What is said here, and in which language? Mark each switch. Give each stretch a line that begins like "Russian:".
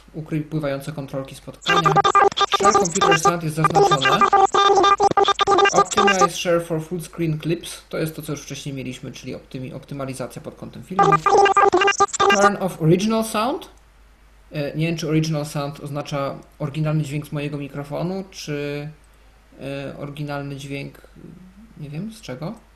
Polish: Ukryj pływające kontrolki spotkania. Share computer stand jest zaznaczone.
English: Optimize share for full screen clips.
Polish: To jest to, co już wcześniej mieliśmy, czyli optymalizacja pod kątem filmu.
English: Turn off original sound.
Polish: Nie wiem, czy original sound oznacza oryginalny dźwięk z mojego mikrofonu, czy oryginalny dźwięk, nie wiem, z czego.